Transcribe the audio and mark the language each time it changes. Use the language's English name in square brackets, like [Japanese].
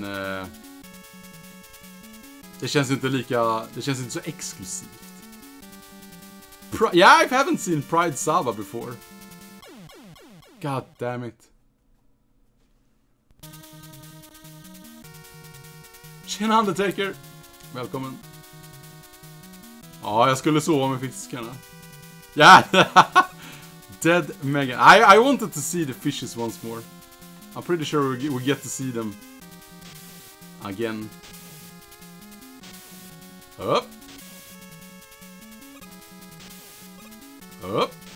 [Swedish] Men det känns inte så exklusivt. [English] Yeah, I haven't seen Pride Saba before. God damn it. [Swedish] Tjena Undertaker. Välkommen. Ja, jag skulle sova med fiskarna. [English] Yeah. Dead Megan. I wanted to see the fishes once more. I'm pretty sure we'll get to see them. Again. [Swedish] Upp. Upp.